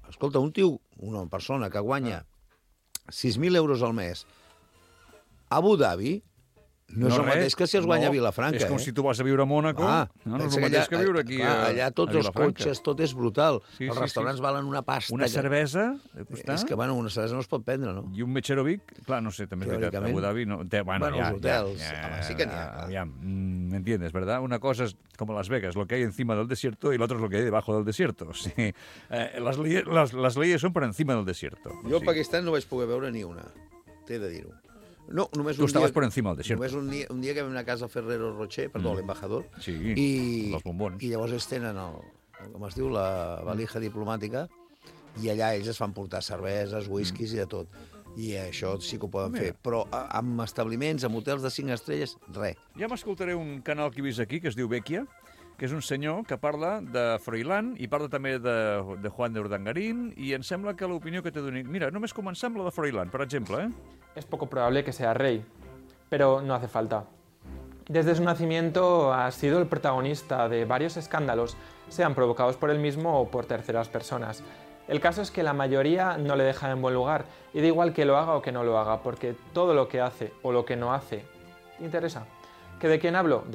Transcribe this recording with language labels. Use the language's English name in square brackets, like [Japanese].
[Catalan] Escolta, un tio, una persona que guanya 6.000 euros al mes a Abu Dhabi... No és el mateix que si es guanya a Vilafranca. És com si tu vas a viure a Mònaco. Ah, no és el mateix que viure aquí a allà tots els cotxes, tot és brutal. Sí, els restaurants valen una pasta. Una cervesa? És que, bueno, una cervesa no es pot prendre, no? I un Mechero Vic? Clar, no sé, també és veritat. Abu Dhabi, no. Bueno, els hotels. Sí que n'hi ha. [Spanish] Aviam, m'entiendes, ¿verdad? [Catalan] Una cosa és com a [Spanish] Las Vegas, lo que hay encima del desierto y lo otro es lo que hay debajo del desierto. Sí. Las leyes son por encima del desierto. [Catalan] Jo a Pakistan no vaig poder veure ni una. T'he de dir-ho. No, només tu estaves dia, [Spanish] per encima del desierto. [Catalan] Només un dia que vam anar a casa Ferrero Rocher, perdó, l'embajador, sí, i els bombons. I llavors ells tenen com es diu, la valija diplomàtica, i allà ells es fan portar cerveses, whiskies i de tot. I això sí que ho poden fer. Però amb establiments, amb hotels de 5 estrelles, res. Ja m'escoltaré un canal que he vist aquí, que es diu Bequia, que és un senyor que parla de Froilán i parla també de Juan de Urdangarín, i em sembla que l'opinió que t'he donat... Mira, només començar amb la de Froilán, per exemple, [Spanish] Es poco probable que sea rey, pero no hace falta. Desde su nacimiento ha sido el protagonista de varios escándalos, sean provocados por él mismo o por terceras personas. El caso es que la mayoría no le deja en buen lugar, y da igual que lo haga o que no lo haga, porque todo lo que hace o lo que no hace interesa. ¿Que de quién hablo?